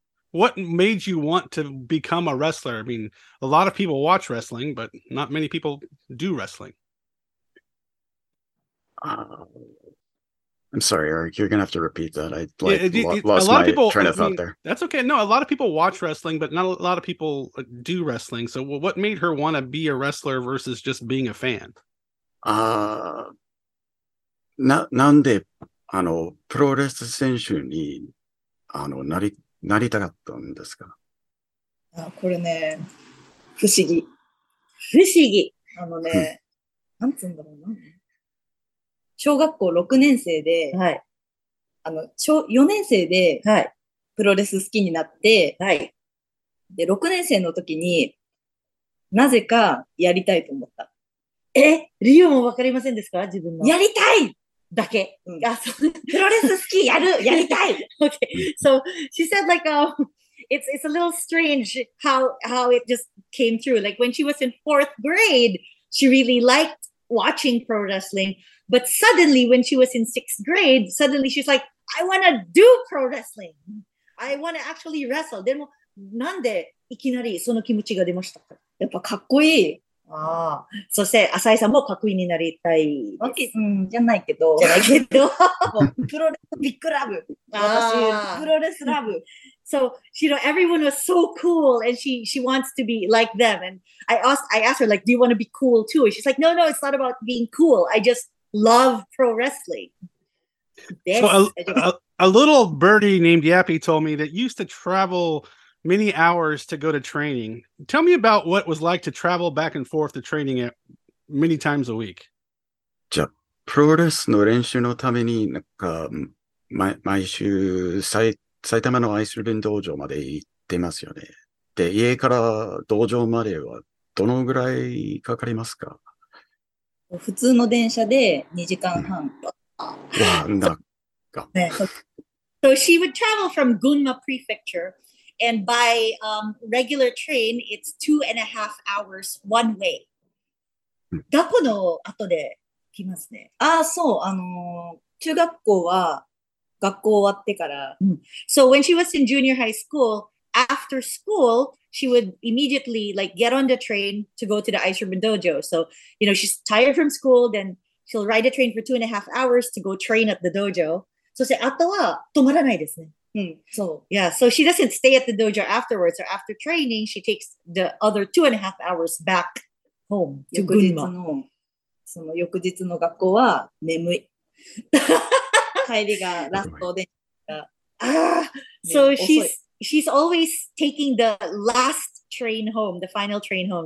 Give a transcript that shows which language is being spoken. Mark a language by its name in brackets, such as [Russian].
[English] What made you want to become a wrestler? I mean, a lot of people watch wrestling, but not many people do wrestling. I'm sorry, Eric. You're going to have to repeat that. I lost my train of thought there. That's okay. No, a lot of people watch wrestling, but not a lot of people do wrestling. So what made her want to be a wrestler versus just being a fan? [Japanese] なんでプロレス選手になりたかったんですか？これね、不思議。不思議。ね、なんつうんだろうな。小学校6年生で、はい、 4年生で、はい、プロレス好きになって、はい、で、6年生の時に、なぜかやりたいと思った。え？理由もわかりませんですか？自分の。やりたい！だけ。うん、あ、そう。プロレス好きやる！やりたい！ [English] Okay. So, she said like, it's a little strange how it just came through. Like, when she was in fourth grade, she really liked watching pro wrestling.But suddenly, when she was in sixth grade, suddenly she's like, I want to do pro wrestling. I want to actually wrestle. [Japanese] でもなんでいきなりその気持ちが出ましたか。やっぱかっこいい。ああ、そして浅井さんもかっこいいになりたいわけ、うん、じゃないけど。じゃないけど。プロレスビッグラブ。私プロレスラブ。 [English] So, you know, everyone was so cool and she wants to be like them. And I asked her, like, do you want to be cool too? And she's like, no, it's not about being cool. I just love pro wrestling. So a little birdie named Yappy told me that you used to travel many hours to go to training. Tell me about what it was like to travel back and forth to training at many times a week. [Japanese] じゃあ、プロレスの練習のためになんか毎週埼玉のアイスリン道場まで行ってますよね。で、家から道場まではどのぐらいかかりますか？普通の電車で2時間半とか。うん、わ、なんか。 [English] So she would travel from Gunma Prefecture, and by regular train, it's 2.5 hours one way. [Japanese] どこの後で来ますね。ああ、そう、中学校は学校終わってから、 [English] うん、So when she was in junior high school, after school, she would immediately like get on the train to go to the Ice Ribbon Dojo. So, you know, she's tired from school, then she'll ride a train for 2.5 hours to go train at the dojo. [Japanese] そしてあとは止まらないですね。うん、そう。 [English] Yeah, so she doesn't stay at the dojo afterwards. So after training, she takes the other 2.5 hours back home to Gunma. [Japanese] その翌日の学校は眠い。帰りがラストで。 [English] So she's always taking the last train home, the final train home.